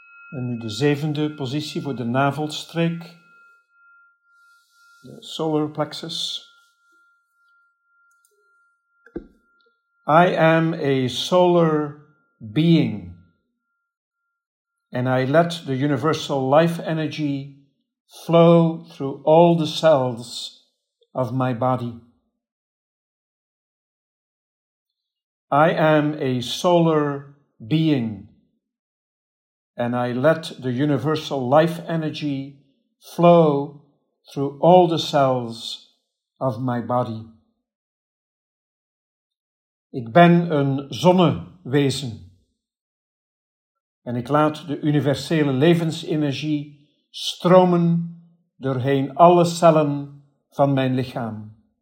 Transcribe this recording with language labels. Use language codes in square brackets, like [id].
[nl] En nu de zevende positie voor de navelstreek, de solar plexus. [en] I am a solar being, and I let the universal life energy flow through all the cells of my body. I am a solar being, and I let the universal life energy flow through all the cells of my body. [nl] Ik ben een zonnewezen en ik laat de universele levensenergie stromen doorheen alle cellen van mijn lichaam.